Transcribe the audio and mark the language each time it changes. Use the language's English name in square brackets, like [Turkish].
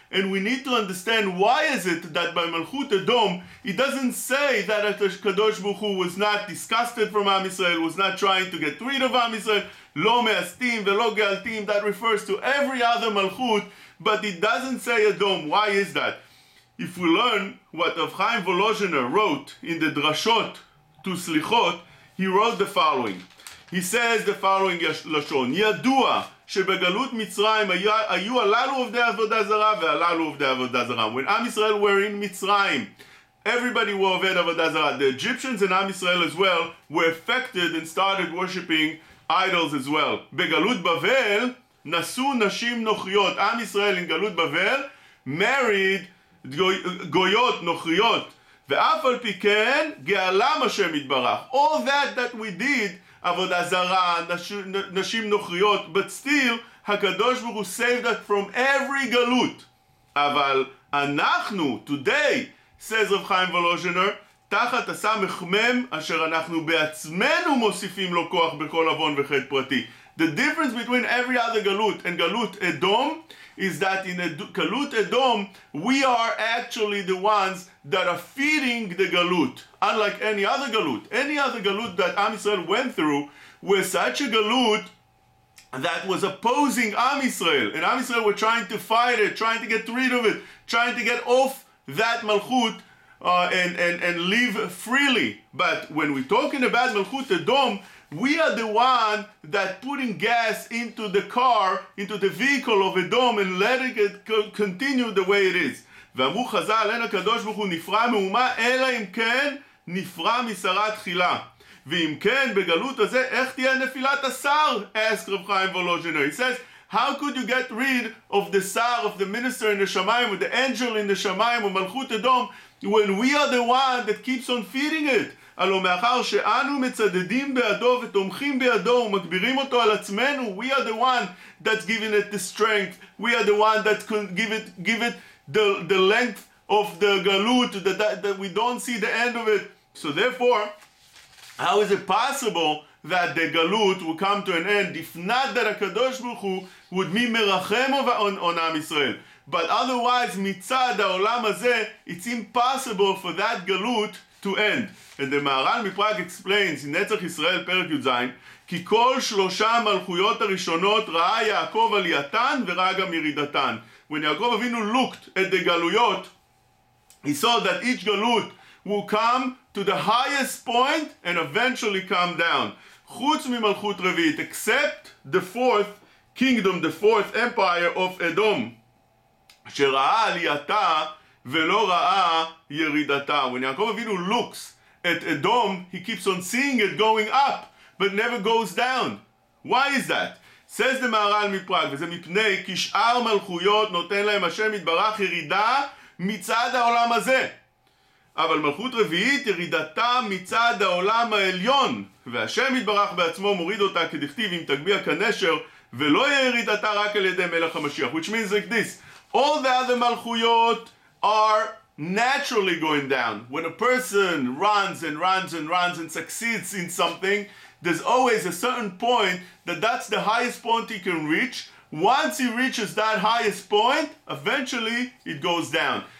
[English] And we need to understand, why is it that by Malchut Edom, it doesn't say that HaKadosh Baruch Hu was not disgusted from Am Yisrael, was not trying to get rid of Am Yisrael. [Hebrew] Lo me'astim ve'lo ge'altim, [English] that refers to every other Malchut, but it doesn't say Edom. Why is that? If we learn what Rav Chaim Volozhiner wrote in the Drashot to Slichot, he wrote the following. He says the following lashon, Yadua [Hebrew] שבגלות מצרים היו הללו עובדי עבודה זרה והללו עובדי עבודה זרה. [English] When Am Yisrael were in Mitzrayim, everybody were [Hebrew] עובד עבודה זרה. [English] The Egyptians and Am Yisrael as well were affected and started worshiping idols as well. [Hebrew] בגלות בבל נשאו נשים נוכריות. [English] Am Yisrael in [Hebrew] גלות בבל [English] married [Hebrew] גויות נוכריות. ואף על פי כן גאלם השם יתברך. [English] All that we did, [Hebrew] עבודה זרה, נשים נוכריות, [English] but still, [Hebrew] הקדוש ברוך הוא [English] saved us from every [Hebrew] גלות. אבל אנחנו, [English] today, says Rav Chaim Volozhiner, [Hebrew] תחת הסמך מם, אשר אנחנו בעצמנו מוסיפים לו כוח בכל עוון וחטא פרטי. [English] The difference between every other galut and galut Edom is that in galut Edom, we are actually the ones that are feeding the galut, unlike any other galut. Any other galut that Am Yisrael went through was such a galut that was opposing Am Yisrael. And Am Yisrael were trying to fight it, trying to get rid of it, trying to get off that malchut and live freely. But when we're talking about malchut Edom, we are the one that putting gas into the car, into the vehicle of Edom, and letting it continue the way it is. [Hebrew] ואמרו חז"ל, אין הקדוש ברוך הוא נפרע מאומה, אלא אם כן נפרע משרה תחילה. ואם כן, בגלות הזה, איך תהיה נפילת השר? [English] Asked Rav Chaim Volozhiner. He says, how could you get rid of the שר, of the minister in the Shemayim, or the angel in the Shemayim, or מלכות Edom, when we are the one that keeps on feeding it? [Hebrew] הלו מאחר שאנו מצדדים בידו ותומכים בידו ומגבירים אותו על עצמנו, [English] we are the one that's giving it the strength, we are the one that can give it the length of the galut, that we don't see the end of it. So therefore, how is it possible that the galut will come to an end if not that הקדוש ברוך הוא would be מרחם on Am Yisrael? But otherwise, מצד העולם הזה, it's impossible for that galut to end. And the Maharal Miprag explains in Netzach Yisrael Perek Yud Zayin, [Hebrew] כי כל שלושה המלכויות הראשונות ראה יעקב עלייתן וראה גם ירידתן. [English] When יעקב אבינו looked at the galuyot, he saw that each galut will come to the highest point and eventually come down. [Hebrew] חוץ ממלכות רביעית, [English] except the fourth kingdom, the fourth empire of Edom, [Hebrew] שראה עלייתה ולא ראה ירידתה. [English] When יעקב אבינו looks at Edom, he keeps on seeing it going up, but never goes down. Why is that? Says the Maharal Miprag, [Hebrew] וזה מפני כשאר מלכויות נותן להם השם יתברך ירידה מצד העולם הזה. אבל מלכות רביעית ירידתה מצד העולם העליון, והשם יתברך בעצמו מוריד אותה כדכתיב עם תגביע כנשר, ולא ירידתה רק על ידי מלך המשיח. [English] Which means like this, all the other מלכויות are naturally going down. When a person runs and runs and runs and succeeds in something, there's always a certain point that's the highest point he can reach. Once he reaches that highest point, eventually it goes down.